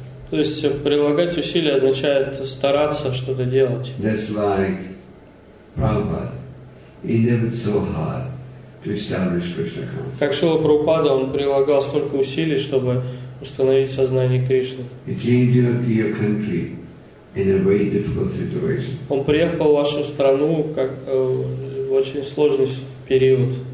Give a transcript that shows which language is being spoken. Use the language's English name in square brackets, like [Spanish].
[Russian] То есть прилагать усилия означает стараться что-то делать. [English] Just like Prabhupada, he endeavored so hard to establish Krishna consciousness. [Russian] Как Шрила Прабхупада, он прилагал столько усилий, чтобы установить сознание Кришны. [English] He came to your country in a very difficult situation. [Russian] Он приехал в вашу страну в очень сложный период.